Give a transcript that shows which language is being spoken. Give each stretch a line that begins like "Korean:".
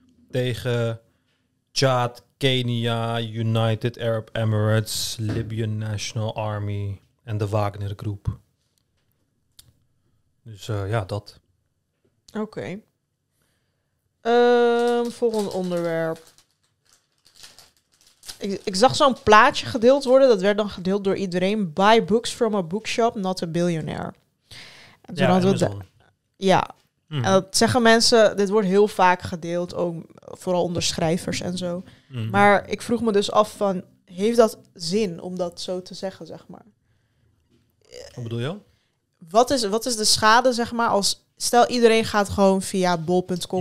Dutch: Tegen Tjaad, Kenia, United Arab Emirates, Libyan National Army en de Wagner Group. Dus dat... Oké. Volgend onderwerp. Ik zag zo'n plaatje gedeeld worden. Dat werd dan gedeeld door iedereen.
English: Buy books from a bookshop, not a billionaire.
Dutch: En toen hadden we Amazon. Ja. Mm-hmm. En dat zeggen mensen, dit wordt heel vaak gedeeld. Ook vooral onder schrijvers en zo. Mm-hmm. Maar ik vroeg me dus af van, heeft dat zin om dat zo te zeggen, zeg maar? Wat bedoel je? Wat is de schade, zeg maar, als... Stel, iedereen gaat gewoon via bol.com.